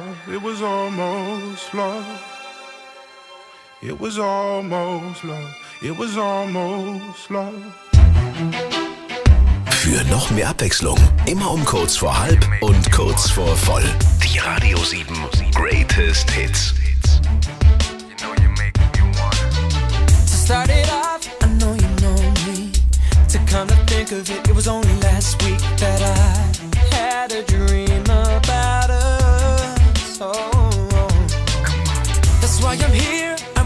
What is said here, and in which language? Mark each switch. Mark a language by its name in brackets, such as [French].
[English] it was almost love, it was almost love. [German] Für noch mehr Abwechslung, immer um kurz vor halb und kurz vor voll. Die Radio 7 Greatest Hits. [English] To start it off, I know you know me. To come to think of it, it was only last week that I had a dream about us. Oh, that's why I'm here.